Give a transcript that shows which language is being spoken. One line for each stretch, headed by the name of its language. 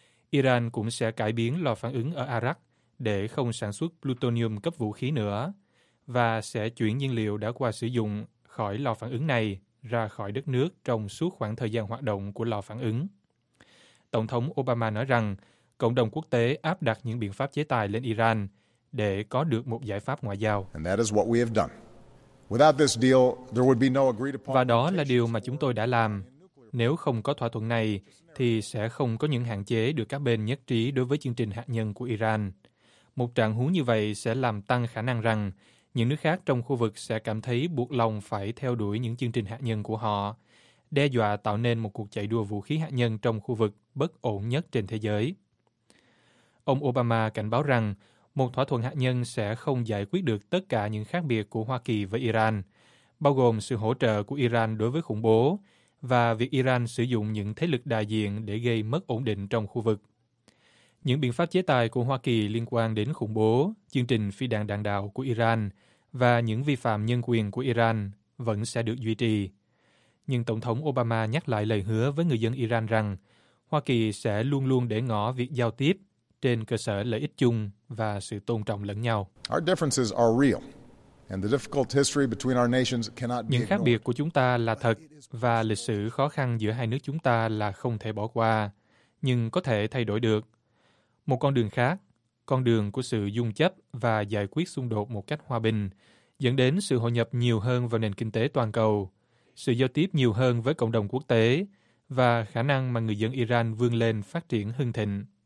Vietnamese: Iran cũng sẽ cải biến lò phản ứng ở Arak để không sản xuất plutonium cấp vũ khí nữa và sẽ chuyển nhiên liệu đã qua sử dụng khỏi lò phản ứng này ra khỏi đất nước trong suốt khoảng thời gian hoạt động của lò phản ứng. Tổng thống Obama nói rằng cộng đồng quốc tế áp đặt những biện pháp chế tài lên Iran để có được một giải pháp ngoại giao.
English: And that is what we have done. Without this deal, there would be no agreed upon.
Vietnamese: Và đó là điều mà chúng tôi đã làm. Nếu không có thỏa thuận này, thì sẽ không có những hạn chế được các bên nhất trí đối với chương trình hạt nhân của Iran. Một trạng huống như vậy sẽ làm tăng khả năng rằng những nước khác trong khu vực sẽ cảm thấy buộc lòng phải theo đuổi những chương trình hạt nhân của họ, đe dọa tạo nên một cuộc chạy đua vũ khí hạt nhân trong khu vực bất ổn nhất trên thế giới. Ông Obama cảnh báo rằng một thỏa thuận hạt nhân sẽ không giải quyết được tất cả những khác biệt của Hoa Kỳ với Iran, bao gồm sự hỗ trợ của Iran đối với khủng bố và việc Iran sử dụng những thế lực đại diện để gây mất ổn định trong khu vực. Những biện pháp chế tài của Hoa Kỳ liên quan đến khủng bố, chương trình phi đạn đạn đạo của Iran và những vi phạm nhân quyền của Iran vẫn sẽ được duy trì. Nhưng Tổng thống Obama nhắc lại lời hứa với người dân Iran rằng Hoa Kỳ sẽ luôn luôn để ngỏ việc giao tiếp trên cơ sở lợi ích chung và sự tôn trọng lẫn nhau.
English: Our differences are real, and the difficult history between our nations cannot be ignored.
Vietnamese: Những khác biệt của chúng ta là thật và lịch sử khó khăn giữa hai nước chúng ta là không thể bỏ qua, nhưng có thể thay đổi được. Một con đường khác, con đường của sự dung chấp và giải quyết xung đột một cách hòa bình, dẫn đến sự hội nhập nhiều hơn vào nền kinh tế toàn cầu, sự giao tiếp nhiều hơn với cộng đồng quốc tế và khả năng mà người dân Iran vươn lên phát triển hưng thịnh.